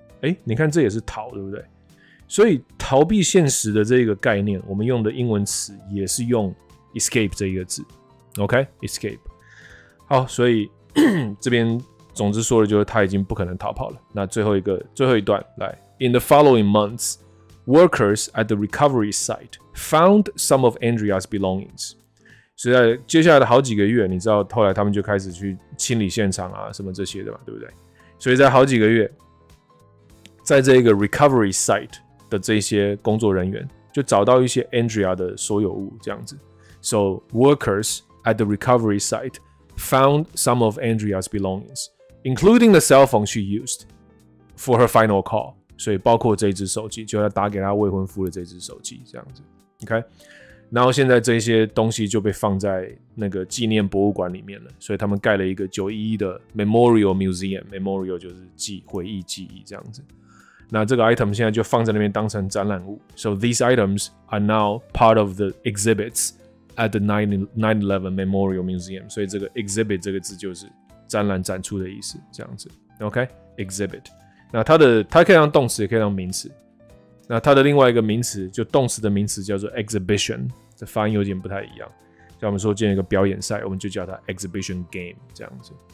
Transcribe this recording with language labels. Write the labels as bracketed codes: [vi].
[zh] 哎，你看这也是逃，对不对？所以逃避现实的这个概念，我们用的英文词也是用 escape 这一个字。 [en] OK， escape。 [zh] 好，所以这边总之说的就是他已经不可能逃跑了。那最后一个最后一段来 ， [en] In the following months。 Workers at the recovery site found some of Andrea's belongings. [zh] 所以在接下来的好几个月，你知道后来他们就开始去清理现场啊，什么这些的嘛，对不对？所以在好几个月，在这个 recovery site 的这些工作人员就找到一些 Andrea 的所有物，这样子。 [en] So workers at the recovery site found some of Andrea's belongings, including the cell phone she used for her final call. [zh] 所以包括这一只手机，就要打给他未婚夫的这只手机，这样子 ，OK。然后现在这些东西就被放在那个纪念博物馆里面了，所以他们盖了一个911的 Memorial Museum， Memorial 就是记回忆记忆这样子。那这个 item 现在就放在那边当成展览物 [en] ，So these items are now part of the exhibits at the 9/11 Memorial Museum。 [zh] 所以这个 exhibit 这个字就是展览展出的意思，这样子 ，OK， exhibit。那它可以当动词，也可以当名词。那它的另外一个名词，就动词的名词叫做 exhibition， 这发音有点不太一样。像我们说建一个表演赛，我们就叫它 exhibition game 这样子。